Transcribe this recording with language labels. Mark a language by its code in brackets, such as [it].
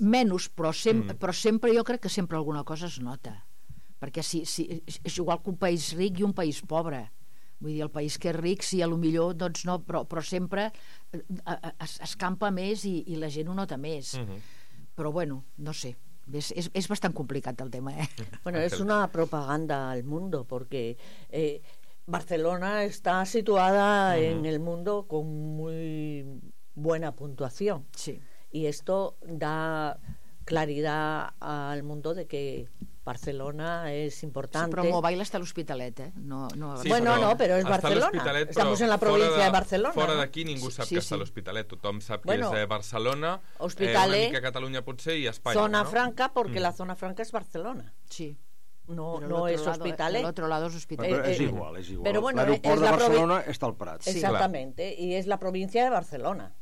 [ca] Menys, però sempre jo crec que sempre alguna cosa es nota. Perquè si és igual que un país ric i un país pobre. Vull dir, el país que és ric, sí, a lo millor, doncs no, però sempre es escampa més i la gent ho nota més. Però bueno, no sé. [es] Es bastante complicado el tema, ¿eh? Bueno, es una propaganda al mundo, porque Barcelona está situada en el mundo con muy buena puntuación. Sí. Y esto da claridad al mundo de que Barcelona es importante. Sí, pero Mobile está el Hospitalet, ¿eh? No, sí, bueno, no, pero es Barcelona. Estamos en la provincia de Barcelona. [ca] Fora d'aquí ningú sap que està l'Hospitalet. Tothom sap que és de Barcelona, Hospitalet, una mica Catalunya potser i Espanya. Zona franca, perquè la zona franca és Barcelona. Sí. No, no és Hospitalet. L'altre lado és Hospitalet. És igual, és igual. Però bueno, l'aeroport de Barcelona està al Prat. Exactamente, i és la província de Barcelona.